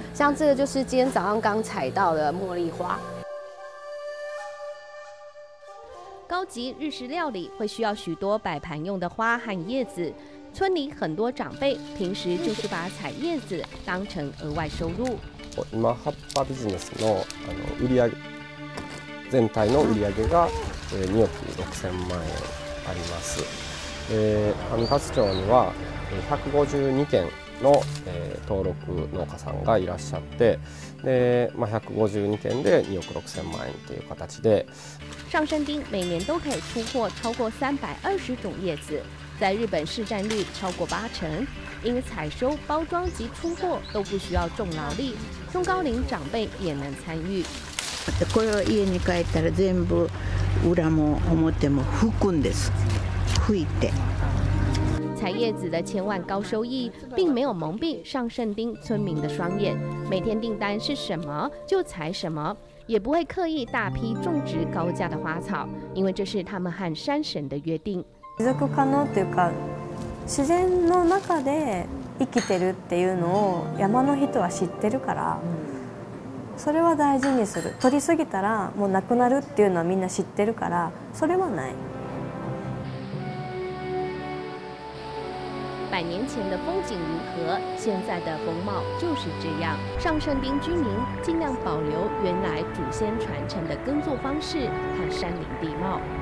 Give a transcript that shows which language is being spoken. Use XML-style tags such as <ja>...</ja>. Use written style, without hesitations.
<zh>像这个就是今天早上刚采到的茉莉花。高级日式料理会需要许多摆盘用的花和叶子，村里很多长辈平时就是把采叶子当成额外收入。</zh> <ja>今葉っぱビジネスの売り上げ全体の売り上げが2億6000万円あります。上勝町には152件の登録農家さんがいらっしゃって、で、まあ152件で2億6000万円という形で。</ja> <zh>上山町每年都可以出货超过320种叶子，在日本市占率超过80%。因采收、包装及出货都不需要重劳力，中高龄长辈也能参与。</zh> <ja>これは家に帰ったら全部裏も表も拭くんです。拭いて。</ja> <zh>采叶子的千万高收益，并没有蒙蔽上圣丁村民的双眼。每天订单是什么就采什么，也不会刻意大批种植高价的花草，因为这是他们和山神的约定。</zh> <ja>持続可能というか、自然の中で生きてるっていうのを山の人は知ってるから。それは大事にする。取りすぎたらもうなくなるっていうのはみんな知ってるから、それはない。</ja> <zh>百年前的风景如何，现在的风貌就是这样。上圣丁居民尽量保留原来祖先传承的耕作方式和山林地貌。</zh>